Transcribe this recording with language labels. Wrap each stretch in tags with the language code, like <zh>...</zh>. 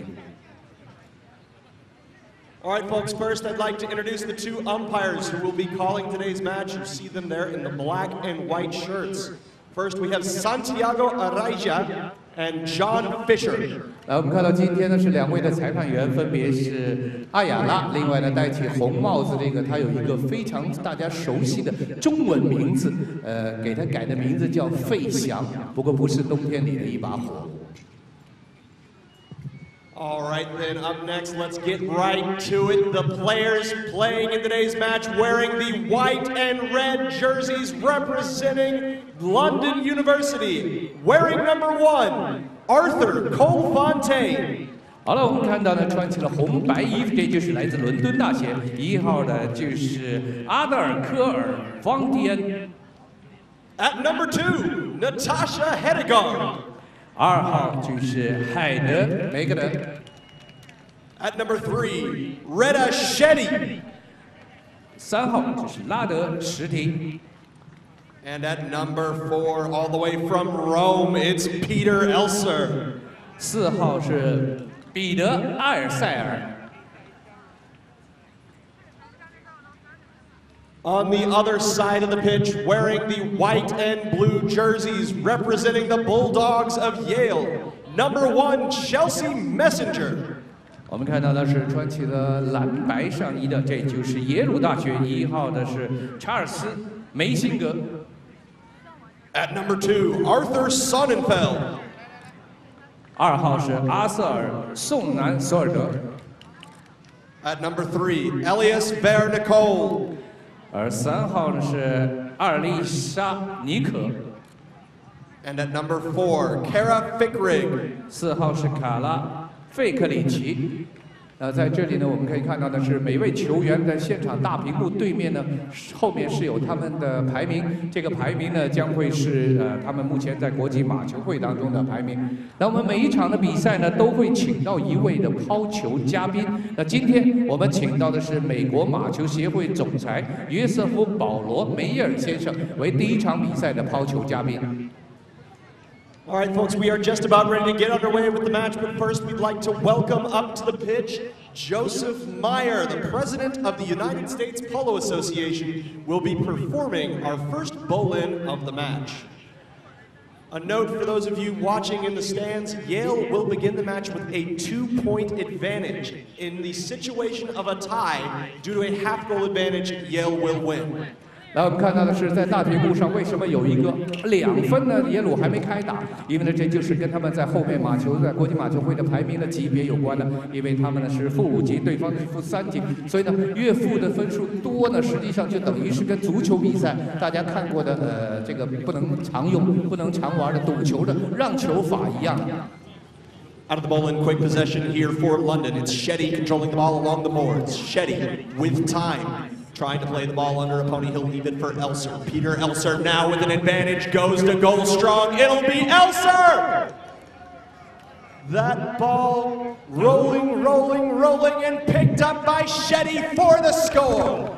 <zh>现在看到两支球队呢已经列队了，那我们稍后时间呢将会为大家介绍的，就是两支球队的参赛队员和他们目前在国际马球会当中的一个级别。</zh> <en>All right, folks, first I'd like to introduce the two umpires who will be calling today's match. You see them there in the black and white shirts. First, we have Santiago Araya and John Fisher.</en> <zh>来，我们看到今天呢是两位的裁判员，分别是阿雅拉，另外呢戴起红帽子这个，他有一个非常大家熟悉的中文名字，给他改的名字叫费翔，不过不是冬天里的一把火。</zh> <en>All right, then up next, let's get right to it. The players playing in today's match wearing the white and red jerseys representing London University, wearing number one. Arthur Cole-Fontayn.</en> <zh>好了，我们看到呢，穿起了红白衣服，这就是来自伦敦大学一号的，就是阿德尔科尔方迪恩。</zh> <en>At number two, Natascha Hedegaard.</en> <zh>二号就是海德梅格德。</zh> <en>At number three, Reda Shetty.</en> <zh>三号就是拉德什提。</zh> <en>And at number four, all the way from Rome, it's Peter Elser.</en> <zh>四号是彼得·埃尔塞尔。</zh> <en>On the other side of the pitch, wearing the white and blue jerseys, representing the Bulldogs of Yale, number one, Chelsea Messenger.</en> <zh>我们看到的是穿起了蓝白上衣的，这就是耶鲁大学一号的是查尔斯·梅辛格。</zh> <en>At number two, Arthur Sonnenfeld.</en> <zh>二号是阿瑟尔·宋南·索尔德。</zh> <en>At number three, Elias Vernicol.</en> <zh>而三号呢是阿尔丽莎·尼可。</zh> <en>And at number four, Kara Fickrig.</en> <zh>四号是卡拉·费克里奇。在这里呢，我们可以看到的是，每位球员在现场大屏幕对面呢，后面是有他们的排名。这个排名呢，将会是他们目前在国际马球会当中的排名。那我们每一场的比赛呢，都会请到一位的抛球嘉宾。那今天我们请到的是美国马球协会总裁约瑟夫·保罗·梅耶尔先生为第一场比赛的抛球嘉宾。</zh> <en>All right, folks, we are just about ready to get underway with the match, but first we'd like to welcome up to the pitch Joseph Meyer, the president of the United States Polo Association, will be performing our first bowl-in of the match. A note for those of you watching in the stands, Yale will begin the match with a two-point advantage. In the situation of a tie, due to a half-goal advantage, Yale will win.</en> <zh>来，我们看到的是在大屏幕上为什么有一个两分呢？耶鲁还没开打，因为呢这就是跟他们在后面马球在国际马球会的排名的级别有关的，因为他们呢是负五级，对方是负三级，所以呢越负的分数多呢，实际上就等于是跟足球比赛大家看过的这个不能常用、不能常玩的赌球的让球法一样。</zh> <en>Out of the ball in quick possession here for London, it's Shetty controlling the ball along the boards. Shetty with time. Trying to play the ball under a pony, he'll leave it for Elser. Peter Elser now with an advantage goes to Goldstrong. It'll be Elser! That ball rolling, rolling, rolling and picked up by Shetty for the score.</en>